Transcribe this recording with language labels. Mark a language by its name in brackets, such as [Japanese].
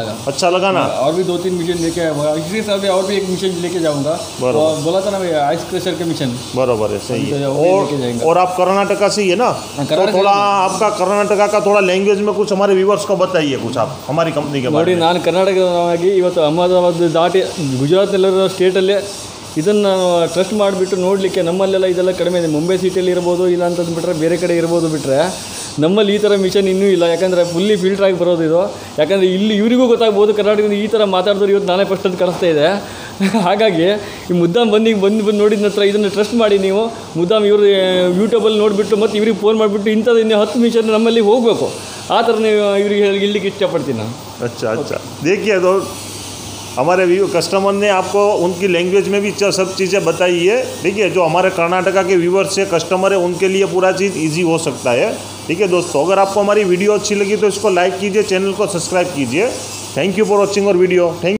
[Hindi] अच्छा लगा ना। और भी 2-3 मशीन लेके आया, इसी हिसाब से और भी एक मशीन लेके जाऊंगा। बोला था ना भैया, आइस क्रशर के मशीन। बराबर है, सही है। और आप कर्नाटका से ही है ना, तो थोड़ा आपका कर्नाटका का थोड़ा लैंग्वेज में कुछ हमारे व्यूअर्स को बताइए कुछ आप हमारी कंपनी के बारे में। [Kannada] कर्नाटक इवतु अहमदाबाद दाटे गुजरात स्टेटल्लै ಇದನ್ನು ಟ್ರಸ್ಟ್ ಮಾಡಿಬಿಟ್ಟು ನೋಡಲಿಕ್ಕೆ ನಮ್ಮಲ್ಲೆಲ್ಲ ಇದೆಲ್ಲ ಕಡಿಮೆ ಇದೆ. ಮುಂಬೈ ಸಿಟಿಯಲ್ಲಿ ಇರ್ಬೋದು ಇಲ್ಲ ಅಂತಂದು ಬಿಟ್ಟರೆ ಬೇರೆ ಕಡೆ ಇರ್ಬೋದು ಬಿಟ್ಟರೆ ನಮ್ಮಲ್ಲಿ ಈ ಥರ ಮಿಷನ್ ಇನ್ನೂ ಇಲ್ಲ. ಯಾಕಂದರೆ ಫುಲ್ಲಿ ಫಿಲ್ಟರ್ ಆಗಿ ಬರೋದು ಇದು, ಯಾಕಂದರೆ ಇಲ್ಲಿ ಇವರಿಗೂ ಗೊತ್ತಾಗ್ಬೋದು ಕರ್ನಾಟಕದಿಂದ ಈ ಥರ ಮಾತಾಡಿದ್ರು ಇವತ್ತು ನಾನೇ ಫಸ್ಟ್ ಅಂತ ಕಾಣಿಸ್ತಾ ಇದೆ. ಹಾಗಾಗಿ ಈ ಮುದ್ದಾಮ್ ಬಂದು ನೋಡಿದ ನಂತರ ಇದನ್ನು ಟ್ರಸ್ಟ್ ಮಾಡಿ ನೀವು ಮುದ್ದಾಮ್ ಇವರು ಯೂಟ್ಯೂಬಲ್ಲಿ ನೋಡಿಬಿಟ್ಟು ಮತ್ತು ಇವ್ರಿಗೆ ಫೋನ್ ಮಾಡಿಬಿಟ್ಟು ಇಂಥದ್ದು ಇನ್ನೂ 10 ಮಿಷನ್ ನಮ್ಮಲ್ಲಿ ಹೋಗಬೇಕು, ಆ ಥರ ಇವರಿಗೆ ಇಲ್ಲಿಗೆ ಇಷ್ಟಪಡ್ತೀನಿ ನಾನು. [Hindi] ಅಚ್ಚಾ ದೇಖಿ, ಅದು हमारे व्यू कस्टमर ने आपको उनकी लैंग्वेज में भी सब चीज़ें बताई है, ठीक है। जो हमारे कर्नाटका के व्यूवर्स है, कस्टमर है, उनके लिए पूरा चीज़ इजी हो सकता है, ठीक है दोस्तों। अगर आपको हमारी वीडियो अच्छी लगी तो इसको लाइक कीजिए, चैनल को सब्सक्राइब कीजिए। [English] thank you for watching [Hindi] और वीडियो।